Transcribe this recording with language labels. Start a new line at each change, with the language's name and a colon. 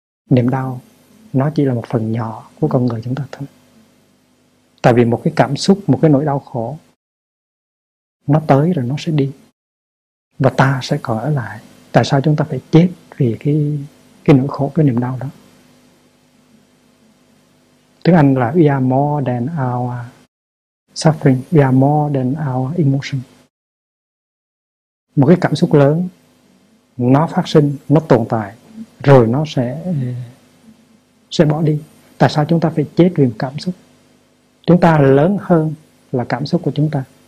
Vietnamese: Niềm đau nó chỉ là một phần nhỏ của con người chúng ta thôi. Tại vì một cái cảm xúc, một cái nỗi đau khổ, nó tới rồi nó sẽ đi, và ta sẽ còn ở lại. Tại sao chúng ta phải chết vì cái nỗi khổ, cái niềm đau đó? Tiếng Anh là
English: we are more than our suffering, we are more than our emotion.
Vietnamese: Một cái cảm xúc lớn, nó phát sinh, nó tồn tại, rồi nó sẽ bỏ đi. Tại sao chúng ta phải chết vì một cảm xúc? Chúng ta lớn hơn là cảm xúc của chúng ta.